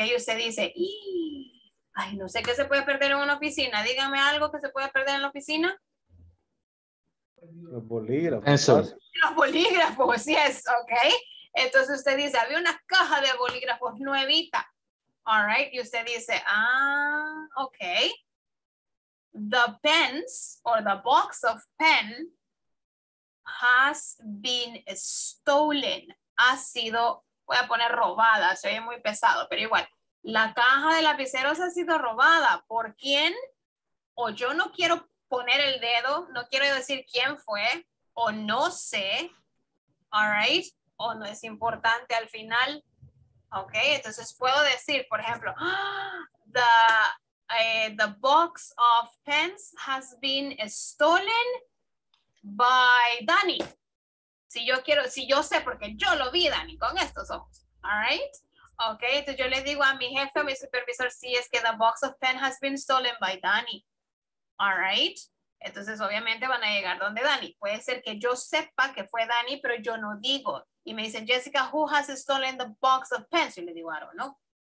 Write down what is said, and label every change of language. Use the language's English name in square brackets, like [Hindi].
[Spanish] Y usted dice, ay, no sé qué se puede perder en una oficina. Dígame algo que se puede perder en la oficina. Los bolígrafos. Eso. Los bolígrafos, yes, ¿ok? Entonces usted dice, había una caja de bolígrafos nuevita. All right, y usted dice, okay. [English] The pens or the box of pen has been stolen. [Spanish] Ha sido, voy a poner robada, se oye muy pesado, pero igual. La caja de lapiceros ha sido robada. ¿Por quién? O yo no quiero poner el dedo, no quiero decir quién fue, o no sé. All right, o no es importante al final. Okay, entonces puedo decir, por ejemplo, the box of pens has been stolen by Danny. Si yo sé, porque yo lo vi, Danny, con estos ojos. All right, okay, entonces yo le digo a mi jefe, a mi supervisor, sí, es que the box of pen has been stolen by Danny. All right, entonces obviamente van a llegar donde Danny. Puede ser que yo sepa que fue Danny, pero yo no digo. Y me dicen, Jessica, who has stolen the box of pens? Y le digo, I don't know.